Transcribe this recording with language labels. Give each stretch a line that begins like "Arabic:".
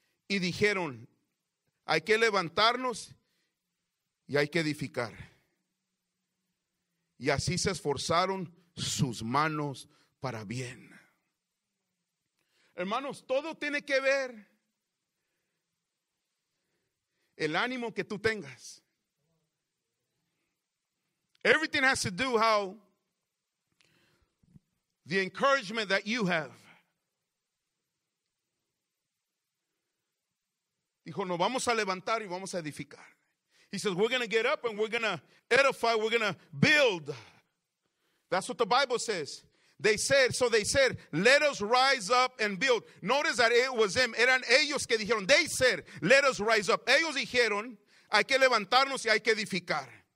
Spanish: Y dijeron, hay que levantarnos y hay que edificar. Y así se esforzaron sus manos para bien. Hermanos, todo tiene que ver el ánimo que tú tengas.
English: Everything has to do how the encouragement that you have.
Spanish: Dijo, nos vamos a levantar y vamos a edificar.
English: He says, we're going to get up and we're going to edify, we're going to build. That's what the Bible says. They said, so they said, let us rise up and build. Notice that it was them.
Spanish: Eran ellos que dijeron,
English: they said, let us rise up.
Spanish: Ellos dijeron, hay que levantarnos y hay que edificar.